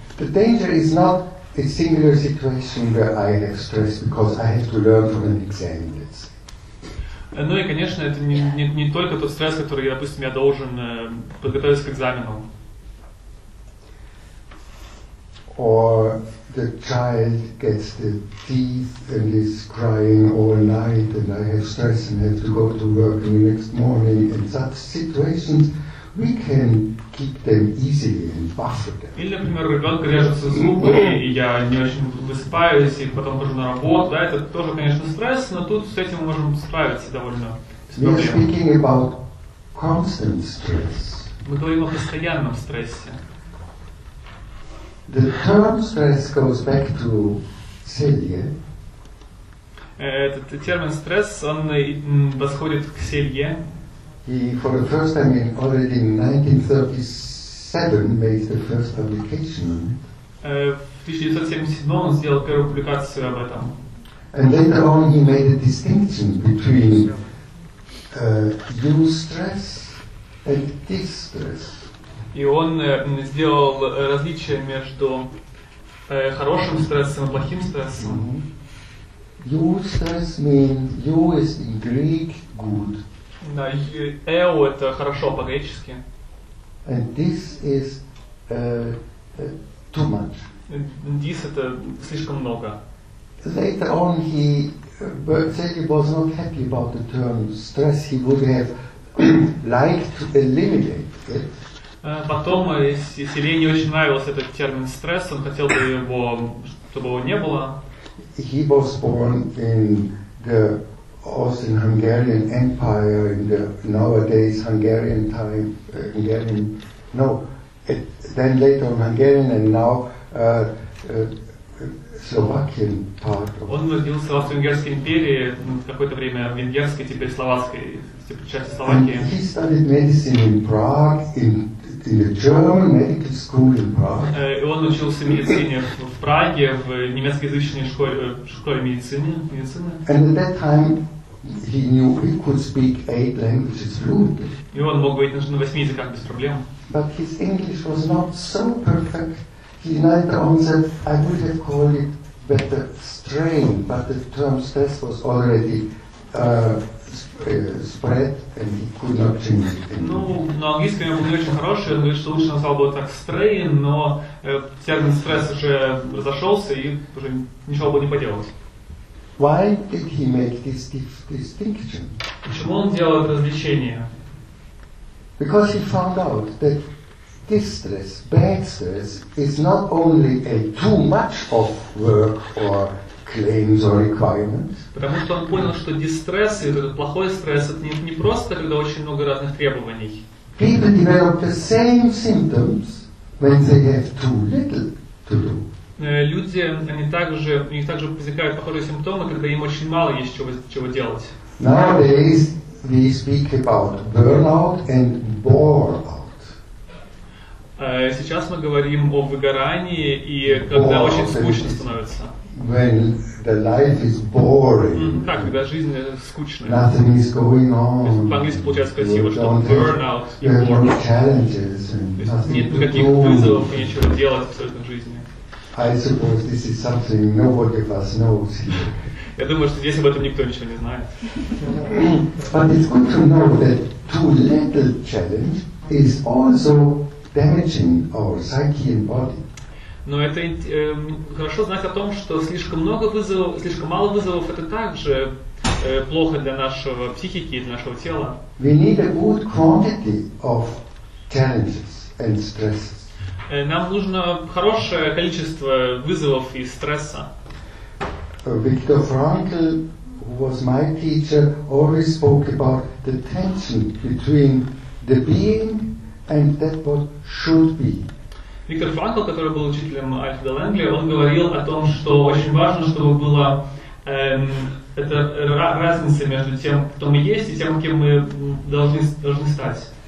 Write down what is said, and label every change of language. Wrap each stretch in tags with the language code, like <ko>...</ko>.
<en>The danger is not a singular situation where I have stress because I have to learn from an exam.</en> <ru>Ну и конечно это не только тот стресс, который, допустим, я должен подготовиться к экзамену.</ru> <en>Or the child gets the teeth and is crying all night and I have stress and have to go to work in the next morning. In such situations, we can keep them easily and buffer them.</en> <ru>Или, например, ребенка режутся зубы, и я не очень высыпаюсь, и потом тоже на работу. Да, это тоже, конечно, стресс, но тут с этим мы можем справиться довольно.</ru> <en>We are speaking about constant stress.</en> <ru>Мы говорим о постоянном стрессе.</ru> <en>The term stress goes back to Selye.</en> <ru>Этот термин стресс, он восходит к Селье.</ru> <en>He, for the first time, already in 1937, made the first publication on it.</en> <ru>В 1977 он сделал первую публикацию об этом.</ru> <en>And later on, he made a distinction between eustress and distress.</en> <ru>И он сделал различие между хорошим стрессом и плохим стрессом.</ru> <en>Eustress means eus in Greek good.</en> <ru>Да, eu это хорошо по-гречески.</ru> <en>And this is too much.</en> <ru>Dis это слишком много.</ru> <en>Later on, he Selye was not happy about the term stress. He would have liked to eliminate it.</en> <ru>Потом, если Селье не очень нравился этот термин стресс, он хотел бы его, чтобы его не было.</ru> <en>He was born in the Austro-Hungarian Empire in the nowadays Hungarian time, Hungarian, no, it, then later on Hungarian and now Slovakian part.</en> <ru>Он родился в Австро-Венгерской империи, какое-то время в венгерской, теперь словацкой, теперь часть Словакии.</ru> <en>And he studied medicine in Prague in a German medical school in Prague.</en> <ru>И он учился медицине в Праге, в немецкоязычной школе медицины.</ru> <en>And at that time he knew he could speak 8 languages fluently.</en> <ru>И он мог говорить на 8 языках без проблем.</ru> <en>But his English was not so perfect. He later on said, I would have called it better strain, but the term stress was already spread and he could not change it.</en> <ru>Ну, на английском я был не очень хороший, он говорит, что лучше назвал бы так strain, но термин стресс уже разошелся и уже ничего бы не поделать.</ru> <en>Why did he make this distinction?</en> <ru>Почему он делал это развлечение?</ru> <en>Because he found out that distress, bad stress, is not only a too much of work or claims or requirements.</en> <ru>Потому что он понял, что дистресс и этот плохой стресс это не просто когда очень много разных требований.</ru> <en>People develop the same symptoms when they have too little to do.</en> <ru>Люди, они также, у них также возникают похожие симптомы, когда им очень мало есть чего делать.</ru> <en>Nowadays we speak about burnout and bore out.</en> <ru>Сейчас мы говорим о выгорании и когда очень скучно становится.</ru> <en>When the life is boring.</en> <ru>Так, когда жизнь скучная.</ru> <en>Nothing is going on.</en> <ru>По-английски получается красиво, что burnout и</ru> <en>boring. No challenges and</en> <ru>нет никаких вызовов и нечего делать абсолютно в жизни.</ru> <en>I suppose this is something nobody of us knows here.</en> <ru>Я думаю, что здесь об этом никто ничего не знает.</ru> <en>But it's good to know that too little challenge is also damaging our psyche and body.</en> <ru>Но это хорошо знать о том, что слишком много вызовов, слишком мало вызовов, это также плохо для нашего психики и для нашего тела.</ru> <en>We need a good quantity of challenges and stresses.</en> <ru>Нам нужно хорошее количество вызовов и стресса.</ru> <en>Виктор Франкл, who was my teacher, always spoke about the tension between the being and that what should be.</en> <ru>Виктор Франкл, который был учителем Альфреда Ленгли, он говорил о том, что очень важно, чтобы была эта разница между тем, кто мы есть, и тем, кем мы должны стать.</ru>